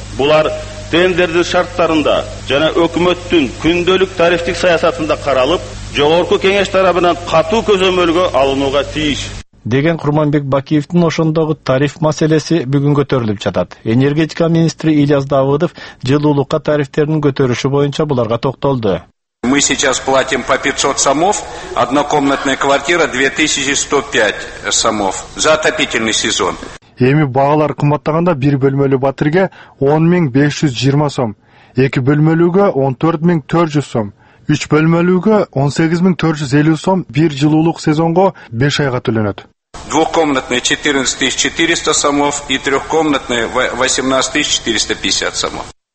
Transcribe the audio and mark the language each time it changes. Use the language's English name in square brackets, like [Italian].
[Kyrgyz] Булар тендердин шарттарында жана өкмөттүн күндөлүк тарифтик саясатында каралып, жогорку кеңеш тарабынан катуу көзөмөлгө алынууга тийиш. Деген Курманбек Бакиевдин ошондогу тариф маселеси бүгүн көтөрүлүп жатат. Энергетика министри Ильяс Давыдов жылуулукка тарифтердин көтөрүшү боюнча буларга токтолду. [Russian] Мы сейчас платим по 500 сомов, однокомнатная квартира 2105 сомов за отопительный сезон. [Kyrgyz] Эми баалар кымбаттаганда бир бөлмөлүү батирге 10520 сом, эки бөлмөлүүгө 14400 сом, үч бөлмөлүүгө 18450 сом бир жылуулук сезонго 5 айга төлөнөт. [Russian] Двухкомнатные 14400 сомов и трехкомнатные 18450 сомов.